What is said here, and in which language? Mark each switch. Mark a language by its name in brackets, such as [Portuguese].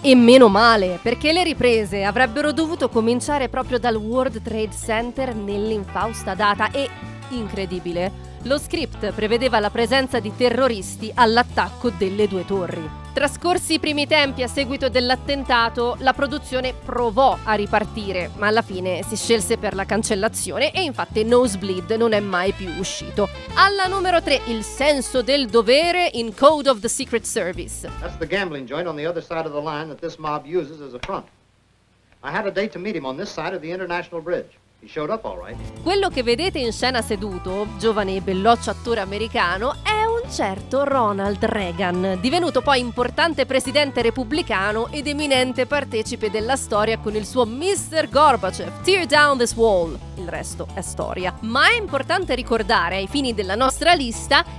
[Italian] E meno male, perché le riprese avrebbero dovuto cominciare proprio dal World Trade Center nell'infausta data e, incredibile, lo script prevedeva la presenza di terroristi all'attacco delle due torri. Trascorsi i primi tempi a seguito dell'attentato, la produzione provò a ripartire, ma alla fine si scelse per la cancellazione e infatti Nosebleed non è mai più uscito. Alla numero 3, il senso del dovere in Code of the Secret Service. [English] That's the gambling joint on the other side of the line that this mob uses as a front. I had a date to meet him on this side of the International Bridge. He showed up all right. [Italian] Quello che vedete in scena seduto, giovane e belloccio attore americano, è un certo Ronald Reagan, divenuto poi importante presidente repubblicano ed eminente partecipe della storia con il suo Mr. Gorbachev, [English] Tear Down This Wall. [Italian] Il resto è storia. Ma è importante ricordare, ai fini della nostra lista,